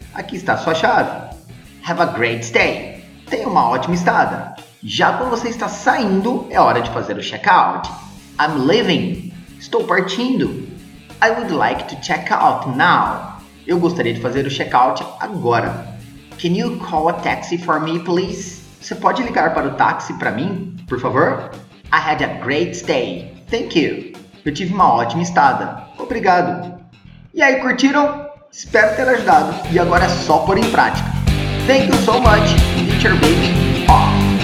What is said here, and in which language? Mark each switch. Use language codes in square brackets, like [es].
[pt] Aqui está a sua chave. [en] Have a great stay. [pt] Tenha uma ótima estada. Já quando você está saindo, é hora de fazer o check-out. [en] I'm leaving. [pt] Estou partindo. [en] I would like to check out now. [pt] Eu gostaria de fazer o check-out agora. [en] Can you call a taxi for me, please? [pt] Você pode ligar para o táxi para mim, por favor? [en] I had a great stay. Thank you. [pt] Eu tive uma ótima estada. Obrigado. E aí, curtiram? Espero ter ajudado. E agora é só pôr em prática. [en] Thank you so much. Teacher Baby off.